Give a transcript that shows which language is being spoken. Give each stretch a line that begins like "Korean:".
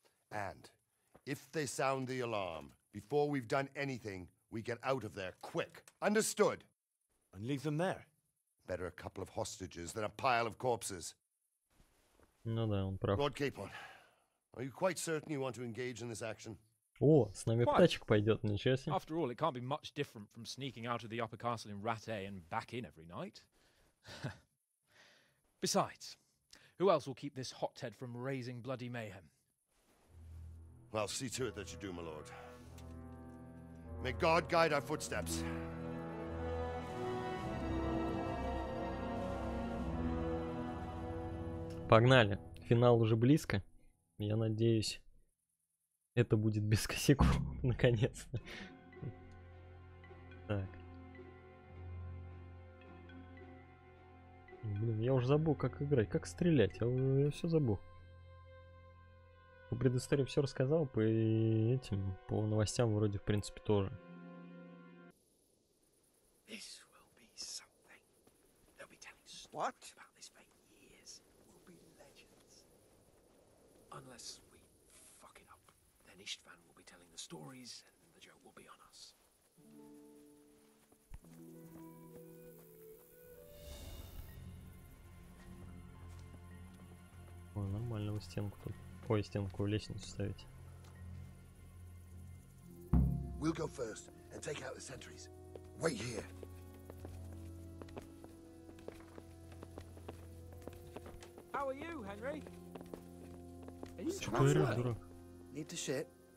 English: And if they sound the alarm, before we've done anything, we get out of there quick. Understood? And leave them there? Better a couple of hostages than a pile of corpses. No, no, I'm proud. Lord Capon, are you quite certain you want to engage in this action?
Russian: О, с нами Птачек пойдет, ничего себе.
English: After all, it can't be much different from sneaking out of the upper castle in Rattay and back in every night. Besides, who else will keep this hothead from raising bloody mayhem? Well, see to it that you do, my lord. May God guide our footsteps.
Russian: Погнали. Финал уже близко. Я надеюсь, это будет без косяков, наконец-то. Так. Блин, я уже забыл, как играть, как стрелять. Я все забыл. По предыстории все рассказал, по этим, по новостям вроде, в принципе, тоже.
English: This will be something. They'll be telling stories about this for years. We'll be legends. Unless we fuck it up. Ishtvan will be telling the stories, and the joke will be on us.
Russian: О, нормально вы стенку тут. Ой, стенку, лестницу ставите.
English: We'll go first and take out the sentries. Wait here. How are you, Henry? Are you trying to need to shit?